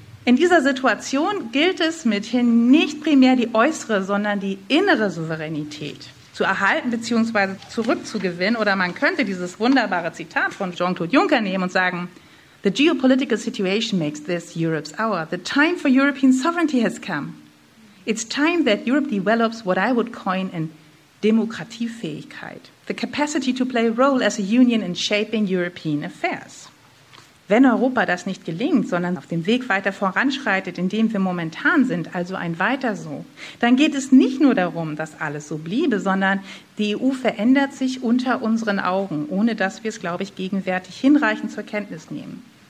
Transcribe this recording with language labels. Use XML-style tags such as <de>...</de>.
<de>In dieser Situation gilt es mithin nicht primär die äußere, sondern die innere Souveränität zu erhalten bzw. zurückzugewinnen. Oder man könnte dieses wunderbare Zitat von Jean-Claude Juncker nehmen und sagen,</de> <en>"The geopolitical situation makes this Europe's hour. The time for European sovereignty has come. It's time that Europe develops what I would coin in Demokratiefähigkeit. The capacity to play a role as a union in shaping European affairs."</en> <de>Wenn Europa das nicht gelingt, sondern auf dem Weg weiter voranschreitet, in dem wir momentan sind, also ein Weiter-so, dann geht es nicht nur darum, dass alles so bliebe, sondern die EU verändert sich unter unseren Augen, ohne dass wir es, glaube ich, gegenwärtig hinreichend zur Kenntnis nehmen.</de>